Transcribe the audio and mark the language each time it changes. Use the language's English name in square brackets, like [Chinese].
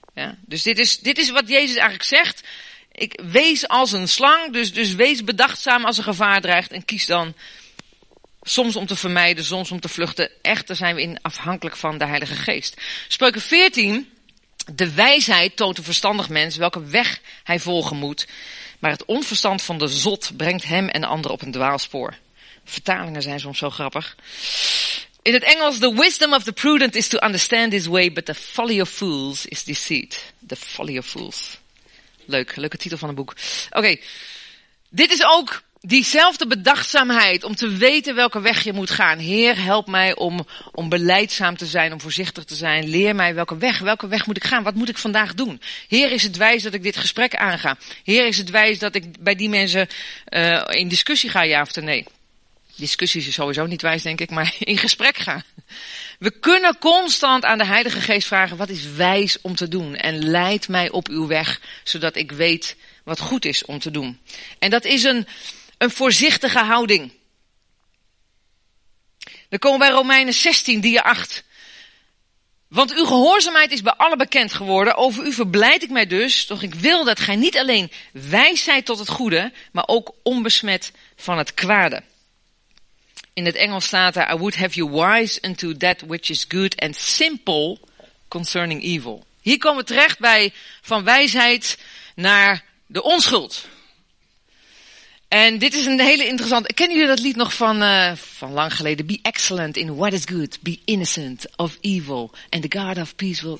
[Dutch] Ja, dus dit is wat Jezus eigenlijk zegt, ik wees als een slang, dus wees bedachtzaam als een gevaar dreigt en kies dan soms om te vermijden, soms om te vluchten. Echt, daar zijn we in afhankelijk van de Heilige Geest. Spreuken 14, de wijsheid toont een verstandig mens welke weg hij volgen moet, maar het onverstand van de zot brengt hem en anderen op een dwaalspoor. Vertalingen zijn soms zo grappig. In het Engels, [English] the wisdom of the prudent is to understand his way, but the folly of fools is deceit. The folly of fools. [Dutch] Leuke titel van een boek. Oké, dit is ook diezelfde bedachtzaamheid om te weten welke weg je moet gaan. Heer, help mij om beleidzaam te zijn, om voorzichtig te zijn. Leer mij welke weg moet ik gaan, wat moet ik vandaag doen? Heer, is het wijs dat ik dit gesprek aanga? Heer, is het wijs dat ik bij die mensen in discussie ga, ja of nee? Discussies is sowieso niet wijs, denk ik, maar in gesprek gaan. We kunnen constant aan de Heilige Geest vragen, wat is wijs om te doen? En leid mij op uw weg, zodat ik weet wat goed is om te doen. En dat is een voorzichtige houding. Dan komen we bij Romeinen 16, dier 8. Want uw gehoorzaamheid is bij allen bekend geworden, over u verblijd ik mij dus, doch ik wil dat gij niet alleen wijs zijt tot het goede, maar ook onbesmet van het kwade. In het Engels staat er, [English] I would have you wise unto that which is good and simple concerning evil. [Dutch] Hier komen we terecht bij van wijsheid naar de onschuld. En dit is een hele interessante, kennen jullie dat lied nog van lang geleden? [English] Be excellent in what is good, be innocent of evil and the God of peace will...